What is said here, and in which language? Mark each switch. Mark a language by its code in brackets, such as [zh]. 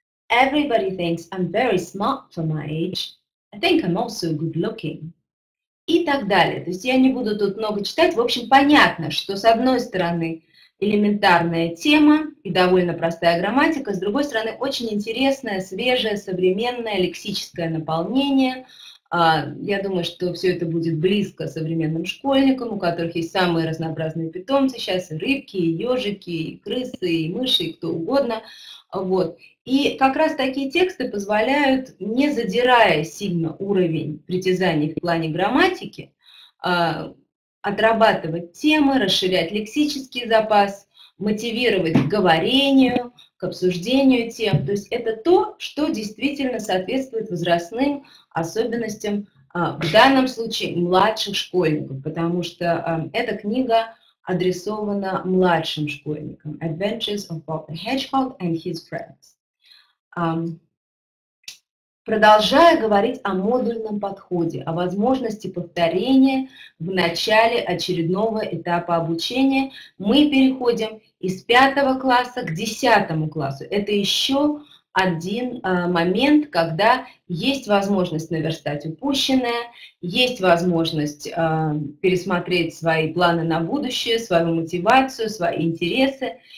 [en] Everybody thinks I'm very smart for my age. I think I'm also good looking. [ru] И так далее. То есть я не буду тут много читать. В общем, понятно, что с одной стороны элементарная тема и довольно простая грамматика, с другой стороны очень интересное, свежее, современное лексическое наполнение. Я думаю, что все это будет близко современным школьникам, у которых есть самые разнообразные питомцы сейчас, и рыбки, и ежики, и крысы, и мыши, и кто угодно. Вот. И как раз такие тексты позволяют, не задирая сильно уровень притязаний в плане грамматики, отрабатывать темы, расширять лексический запас, мотивировать к говорению, к обсуждению тем. То есть это то, что действительно соответствует возрастным особенностям, в данном случае младших школьников, потому что эта книга адресована младшим школьникам. [en] Adventures of Bob the Hedgehog and His Friends. [ru] Продолжая говорить о модульном подходе, о возможности повторения в начале очередного этапа обучения, мы переходим из 5 класса к 10 классу. Это еще один момент, когда есть возможность наверстать упущенное, есть возможность пересмотреть свои планы на будущее, свою мотивацию, свои интересы.